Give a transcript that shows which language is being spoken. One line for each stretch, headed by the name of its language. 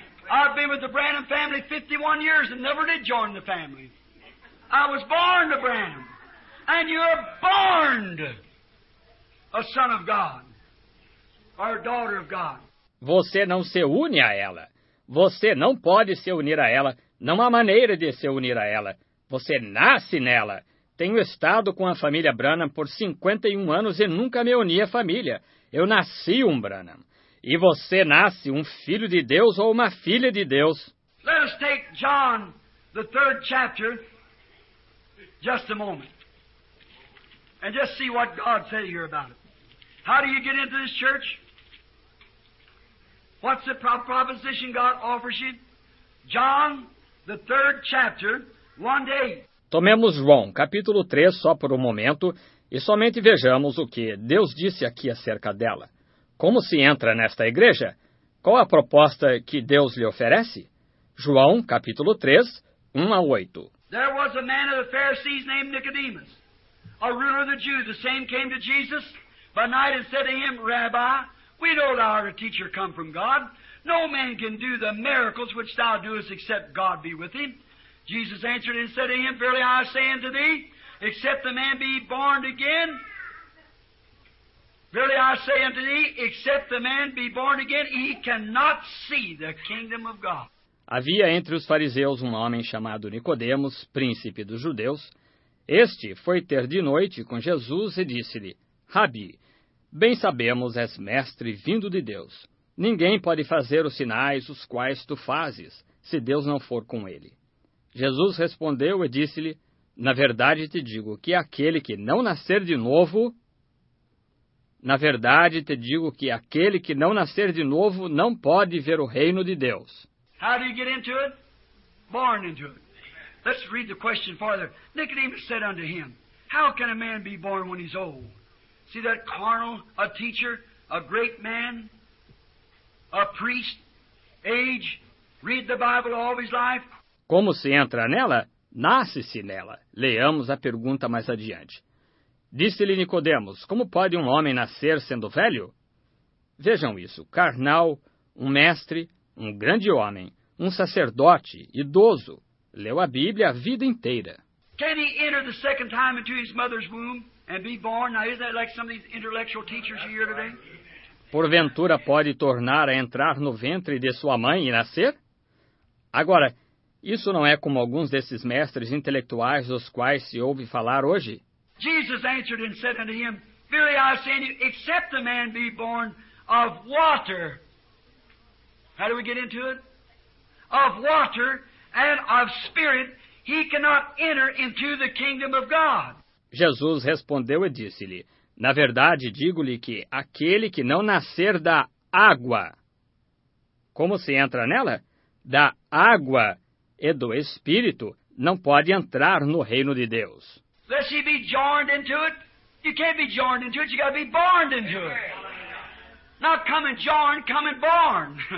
English: I've been with the Branham family 51 years and never did join the family. I was born to Branham. And you're born a son of God, or daughter of God.
Portuguese: Você não se une a ela. Você não pode se unir a ela. Não há maneira de se unir a ela. Você nasce nela. Tenho estado com a família Branham por 51 anos e nunca me uni à família. Eu nasci um Branham. E você nasce um filho de Deus ou uma filha de Deus.
English: Let us take John, the third chapter, just a moment. And just see what God said here about it. How do you get into this church? What's the proposition God offers you? John, the third chapter, 1-8.
Portuguese: Tomemos João, capítulo 3, só por um momento, e somente vejamos o que Deus disse aqui acerca dela. Como se entra nesta igreja? Qual a proposta que Deus lhe oferece? João, capítulo 3, 1-8.
English: There was a man of the Pharisees named Nicodemus. A ruler of the Jews, the same came to Jesus by night and said to him, Rabbi, we know thou art a teacher come from God. No man can do the miracles which thou doest except God be with him. Jesus answered and said to him, Verily I say unto thee, except the man be born again, verily I say unto thee, except the man be born again, he cannot see the kingdom of God.
Portuguese: Havia entre os fariseus um homem chamado Nicodemos, príncipe dos judeus. Este foi ter de noite com Jesus e disse-lhe, Rabi, Bem sabemos, és mestre vindo de Deus. Ninguém pode fazer os sinais os quais tu fazes, se Deus não for com ele. Jesus respondeu e disse-lhe, na verdade te digo que aquele que não nascer de novo... Na verdade te digo que aquele que não nascer de novo não pode ver o reino de Deus.
English: How do you get into it? Born into it. Let's read the question farther. Nicodemus said unto him, how can a man be born when he's old? See that carnal, a teacher, a great man, a priest, age, read the Bible all his life?
Portuguese: Como se entra nela? Nasce-se nela. Leamos a pergunta mais adiante. Disse-lhe Nicodemos, como pode um homem nascer sendo velho? Vejam isso, carnal, um mestre, um grande homem, um sacerdote, idoso, leu a Bíblia a vida inteira.
English: Can he enter the second time into his mother's womb and be born? Now isn't that like some of these intellectual teachers here today?
Portuguese: Porventura pode tornar a entrar no ventre de sua mãe e nascer? Agora, isso não é como alguns desses mestres intelectuais dos quais se ouve falar hoje?
English: Jesus answered and said unto him, Verily I say unto you, except a man be born of water. How do we get into it? Of water and of spirit, he cannot enter into the kingdom of God.
Portuguese: Jesus respondeu e disse-lhe, Na verdade, digo-lhe que aquele que não nascer da água, como se entra nela? Da água e do espírito, não pode entrar no reino de Deus.
English: Lest he be joined into it? You can't be joined into it. You got to be born into it. Not come and join, come and born.